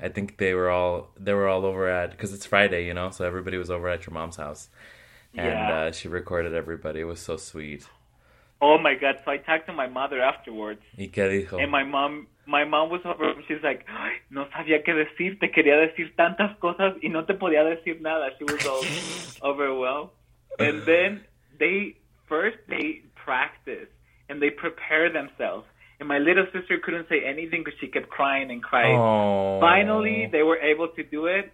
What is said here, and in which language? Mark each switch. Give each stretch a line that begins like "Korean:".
English: I think they were all over at, because it's Friday, you know, so everybody was over at your mom's house, and she recorded everybody. It was so sweet. Oh my God! So I talked to my mother afterwards.
Spanish: ¿Y qué dijo?
English: And my mom was over. She's like,
Spanish: no sabía qué decir. Te quería decir tantas cosas y no te podía decir nada.
English: She was all overwhelmed. And then they, first they practice and they prepare themselves. And my little sister couldn't say anything because she kept crying and crying. Aww. Finally, they were able to do it.